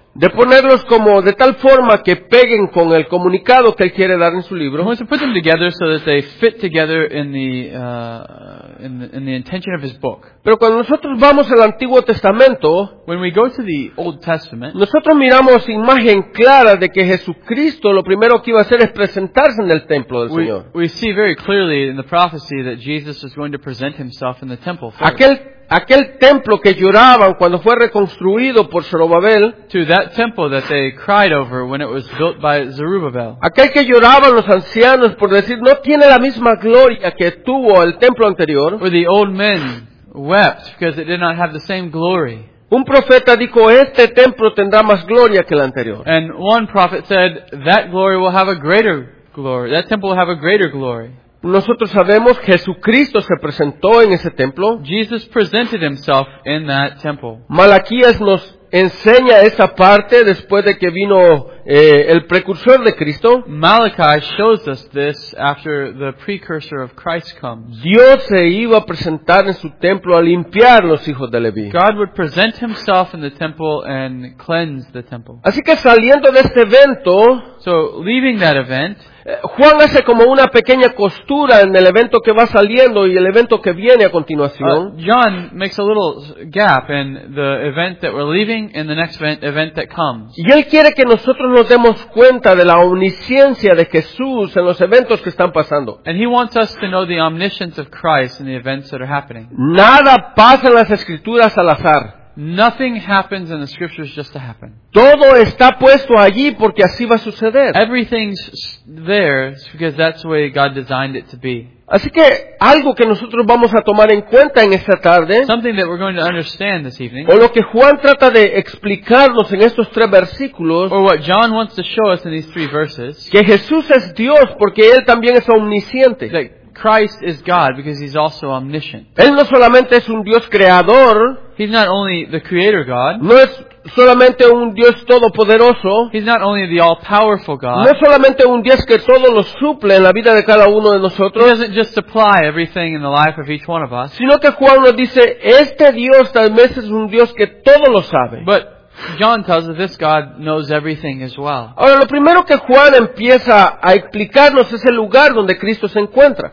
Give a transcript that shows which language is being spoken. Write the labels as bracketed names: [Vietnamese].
[Spanish] De ponerlos como de tal forma que peguen con el comunicado que él quiere dar en su libro. [English] He wants to put them together so that they fit together in the in the intention of his book. [Spanish] Pero cuando nosotros vamos al Antiguo Testamento, [English] when we go to the Old Testament, [Spanish] nosotros miramos imagen clara de que Jesucristo lo primero que iba a hacer es presentarse en el templo del Señor. [English] We see very clearly in the prophecy that Jesus is going to present himself in the temple first. [Spanish] Aquel templo que lloraban cuando fue reconstruido por Zorobabel. [English] To that temple that they cried over when it was built by Zerubbabel. [Spanish] Aquel que lloraban los ancianos por decir no tiene la misma gloria que tuvo el templo anterior. [English] Where the old men wept because it did not have the same glory. [Spanish] Un profeta dijo este templo tendrá más gloria que el anterior. [English] And one prophet said that glory will have a greater glory. That temple will have a greater glory. [Spanish] Nosotros sabemos que Jesucristo se presentó en ese templo. [English] Jesus presented himself in that temple. [Spanish] Malaquías nos enseña esa parte después de que vino el precursor de Cristo. [English] Malachi shows us this after the precursor of Christ comes. [Spanish] Dios se iba a presentar en su templo a limpiar los hijos de Leví. [English] God would present himself in the temple and cleanse the temple. [Spanish] Así que saliendo de este evento, [English] so leaving that event, [Spanish] Juan hace como una pequeña costura en el evento que va saliendo y el evento que viene a continuación. [English] John makes a little gap in the event that we're leaving and the next event that comes. [Spanish] Y él quiere que nosotros nos demos cuenta de la omnisciencia de Jesús en los eventos que están pasando. [English] And he wants us to know the omniscience of Christ in the events that are happening. [Spanish] Nada pasa en las Escrituras al azar. [English] Nothing happens in the scriptures just to happen. [Spanish] Todo está puesto allí porque así va a suceder. [English] Everything's there because that's the way God designed it to be. [Spanish] Así que algo que nosotros vamos a tomar en cuenta en esta tarde, [English] something that we're going to understand this evening, [Spanish] o lo que Juan trata de explicarnos en estos tres versículos, [English] or what John wants to show us in these three verses, [Spanish] que Jesús es Dios porque él también es omnisciente. [English] That Christ is God because he's also omniscient. [Spanish] Él no solamente es un Dios creador. [English] He's not only the creator God. [Spanish] No es solamente un Dios todopoderoso. [English] He's not only the all-powerful God. [Spanish] No es solamente un Dios que todo lo suple en la vida de cada uno de nosotros. [English] He doesn't just supply everything in the life of each one of us. [Spanish] Sino que Juan nos dice, este Dios tal vez es un Dios que todo lo sabe. [English] But John tells us this God knows everything as well. [Spanish] Ahora, lo primero que Juan empieza a explicarnos es el lugar donde Cristo se encuentra.